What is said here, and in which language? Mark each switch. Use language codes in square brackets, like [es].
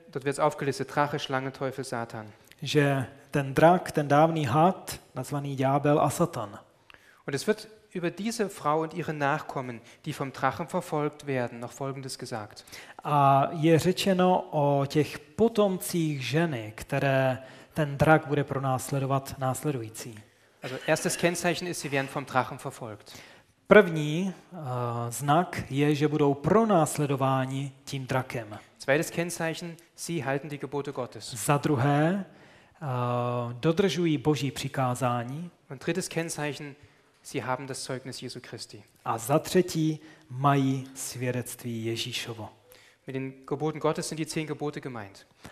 [de] dort wird's aufgelistet, Drache, Schlange, Teufel, Satan. [cs] Že ten drak, ten dávný had, nazvaný Ďábel a Satan. [de] Und es wird über diese Frau und ihre Nachkommen, die vom Drachen verfolgt werden, noch Folgendes gesagt. [cs] A je řečeno o těch potomcích ženy, které ten drak bude pronásledovat následující. [de] Also erstes Kennzeichen ist, sie werden vom Drachen verfolgt. [cs] První znak je, že budou pronásledováni tím drakem. [de] Zweites Kennzeichen, sie halten die Gebote Gottes. [cs] Za druhé, dodržují Boží přikázání. [de] Und drittes Kennzeichen, sie haben das Zeugnis Jesu Christi. [cs] A za třetí, mají svědectví Ježíšovo. [de] Mit den Geboten Gottes sind die 10 Gebote gemeint.